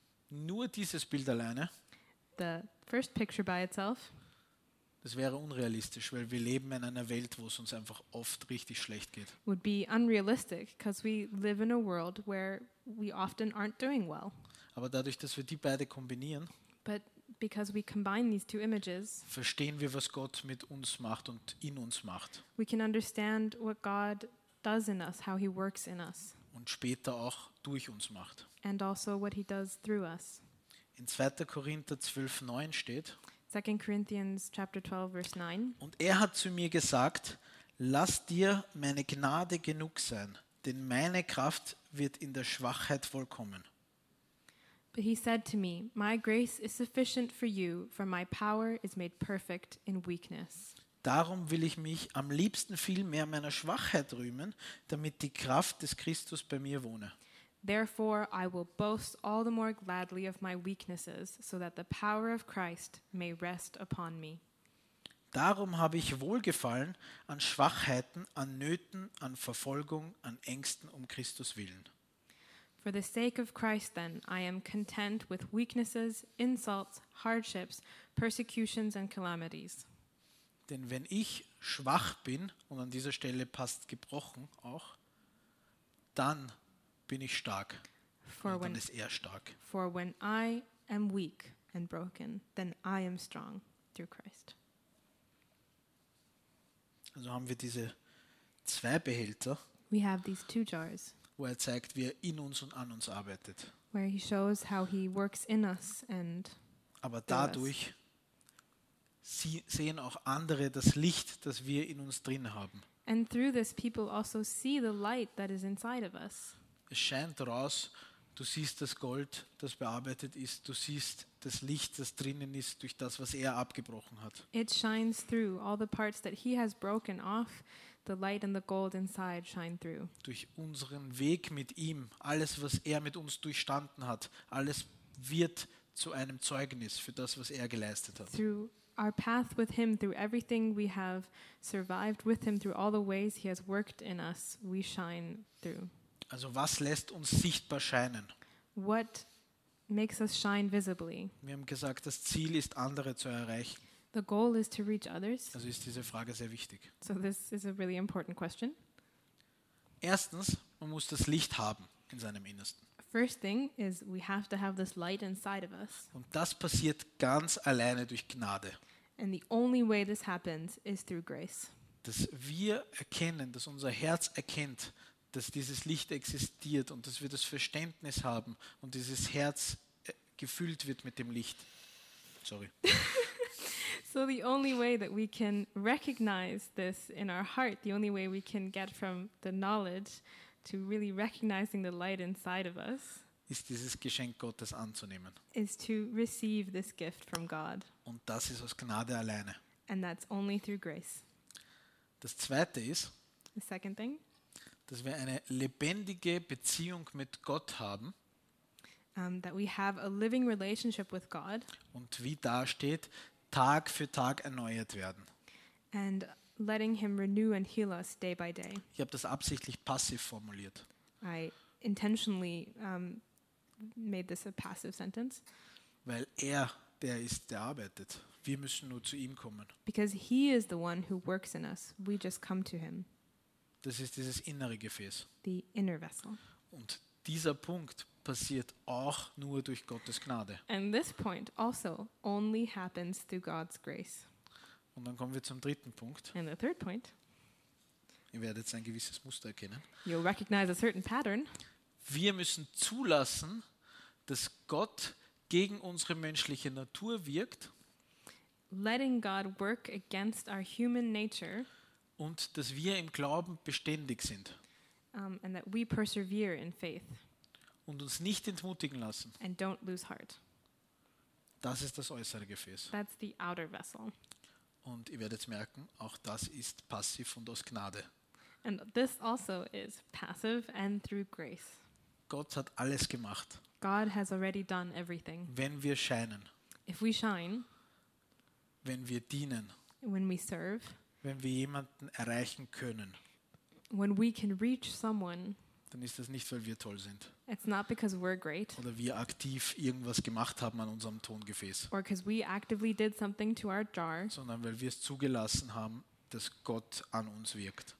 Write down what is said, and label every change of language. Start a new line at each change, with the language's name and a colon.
German: Nur dieses Bild alleine.
English: The first picture by itself.
German: Das wäre unrealistisch, weil wir leben in einer Welt, wo es uns einfach oft richtig schlecht geht.
English: Would be unrealistic because we live in a world where we often aren't doing well.
German: Aber dadurch, dass wir die beide kombinieren,
English: but because we combine these two images,
German: verstehen wir, was Gott mit uns macht und in uns macht.
English: We can understand what God does in us, how he works in us.
German: Und später auch durch uns macht.
English: And also what he does through us.
German: In 2. Korinther 12,9 steht,
English: 2. Corinthians chapter 12, verse 9,
German: und er hat zu mir gesagt, lass dir meine Gnade genug sein, denn meine Kraft wird in der Schwachheit vollkommen.
English: But he said to me, "My grace is sufficient for you, for my power is made perfect in weakness."
German: Darum will ich mich am liebsten viel mehr meiner Schwachheit rühmen, damit die Kraft des Christus bei mir wohne.
English: Therefore I will boast all the more gladly of my weaknesses, so that the power of Christ may rest upon me.
German: Darum habe ich Wohlgefallen an Schwachheiten, an Nöten, an Verfolgung, an Ängsten um Christus willen.
English: For the sake of Christ then, I am content with weaknesses, insults, hardships, persecutions and calamities.
German: Denn wenn ich schwach bin, und an dieser Stelle passt gebrochen auch, dann bin ich stark.
English: For
German: dann
English: when,
German: ist er stark.
English: For when I am weak and broken, then I am strong through Christ.
German: Also haben wir diese zwei Behälter,
English: we have these two jars,
German: wo er zeigt, wie er in uns und an uns arbeitet.
English: Where he shows how he works in us and
German: aber dadurch sie sehen auch andere das Licht, das wir in uns drin haben.
English: And through this people also see the light that is inside of us.
German: Es scheint raus, du siehst das Gold, das bearbeitet ist, du siehst das Licht, das drinnen ist, durch das, was er abgebrochen hat.
English: It shines through all the parts that he has broken off, the light and the gold inside shine through.
German: Durch unseren Weg mit ihm, alles, was er mit uns durchstanden hat, alles wird zu einem Zeugnis für das, was er geleistet hat.
English: Through our path with him, through everything we have survived with him, through all the ways he has worked in us, we shine through.
German: Also was lässt uns sichtbar scheinen?
English: What makes us shine visibly?
German: Wir haben gesagt, das Ziel ist, andere zu erreichen.
English: The goal is to reach others.
German: Also ist diese Frage sehr wichtig.
English: So this is a really important question.
German: Erstens, man muss das Licht haben in seinem Innersten.
English: First thing is we have to have this light inside of us.
German: Und das passiert ganz alleine durch Gnade.
English: And the only way this happens is through grace.
German: Dass wir erkennen, dass unser Herz erkennt, dass dieses Licht existiert und dass wir das Verständnis haben und dieses Herz gefüllt wird mit dem Licht.
English: Sorry. So the only way that we can recognize this in our heart, the only way we can get from the knowledge to really recognizing the light inside of us,
German: ist dieses Geschenk Gottes anzunehmen.
English: Is to receive this gift from God.
German: Und das ist aus Gnade alleine.
English: And that's only through grace.
German: Das zweite ist,
English: the second thing,
German: dass wir eine lebendige Beziehung mit Gott haben.
English: That we have a living relationship with God.
German: Und wie da steht, Tag für Tag erneuert werden.
English: And letting him renew and heal us day by day.
German: Ich habe das absichtlich passiv formuliert.
English: I intentionally made this a passive sentence.
German: Weil er der ist, der arbeitet. Wir müssen nur zu ihm kommen.
English: Because he is the one who works in us. We just come to him.
German: Das ist dieses innere Gefäß.
English: The inner vessel.
German: Und dieser Punkt passiert auch nur durch Gottes Gnade.
English: And this point also only happens through God's grace.
German: Und dann kommen wir zum dritten Punkt.
English: And the third point.
German: Ihr werdet ein gewisses Muster erkennen.
English: You'll recognize a certain pattern.
German: Wir müssen zulassen, dass Gott gegen unsere menschliche Natur wirkt.
English: Letting God work against our human nature.
German: Und dass wir im Glauben beständig sind.
English: And that we persevere in faith.
German: Und uns nicht entmutigen lassen.
English: And don't lose heart.
German: Das ist das äußere Gefäß.
English: That's the outer vessel.
German: Und ihr werdet merken, auch das ist passiv und aus Gnade.
English: And this also is passive and through grace.
German: Gott hat alles gemacht.
English: God has already done everything.
German: Wenn wir scheinen.
English: If we shine.
German: Wenn wir dienen.
English: When we serve.
German: Wenn wir jemanden erreichen können.
English: When we can reach someone.
German: Dann ist das nicht, weil wir toll sind.
English: It's not because we're great.
German: Oder wir aktiv irgendwas gemacht haben an unserem Tongefäß.
English: Or because we actively did something to our jar.
German: Sondern weil wir es zugelassen haben, dass Gott an uns wirkt.